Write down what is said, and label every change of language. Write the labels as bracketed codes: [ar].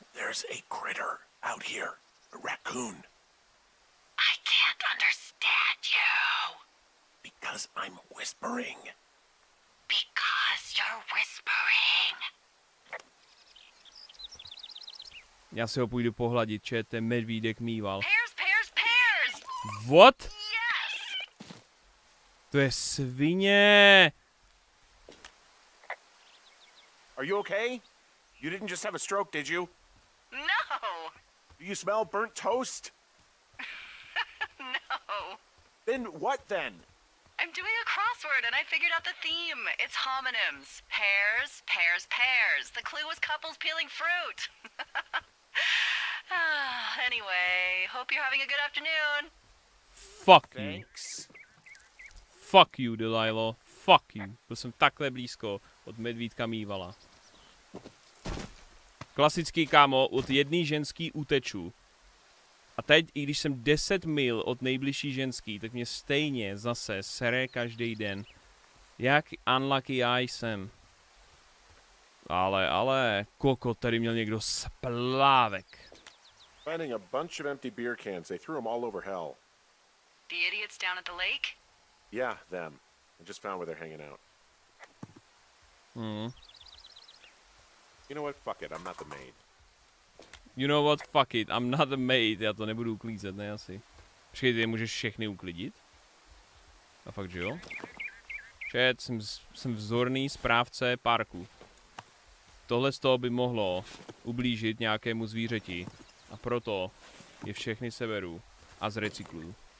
[en] There's a critter out here. A raccoon. I can't understand you. Because I'm whispering. Because you're whispering. [cs] Já si ho půjdu pohladit, že ten medvídek mýval. [en] Pears, pears, pears! What? Yes! [cs] To je svině! [en] Are you okay? You didn't just have a stroke, did you? No! Do you smell burnt toast? No. Then what then? I'm doing a crossword and I figured out the theme. It's homonyms. Pears, pears, pears. The clue was couples peeling fruit. Anyway, hope you're having a good afternoon. Fuck you. Thanks. Fuck you, Delilah. Fuck you. [cs] Byl jsem takhle blízko od medvídka mývala. Klasický kámo, od jedné ženský uteču. A teď, i když jsem 10 mil od nejbližší ženský, tak mě stejně zase sere každý den. Jak unlucky já jsem. Ale, koko, tady měl někdo splávek. [en] Finding a bunch of empty beer cans, they threw them all over hell. The idiots down at the lake? Yeah, them. I just found where they're hanging out. You know what, fuck it, I'm not the maid. You know what, fuck it, I'm not the maid. [cs] Já to nebudu uklízet, ne asi. Přijde, ty můžeš všechny uklidit? A fakt, že jo? Chat, jsem vzorný správce parku. Tohle z toho by mohlo ublížit nějakému zvířeti. A proto je všechny seberu a zrecykluju.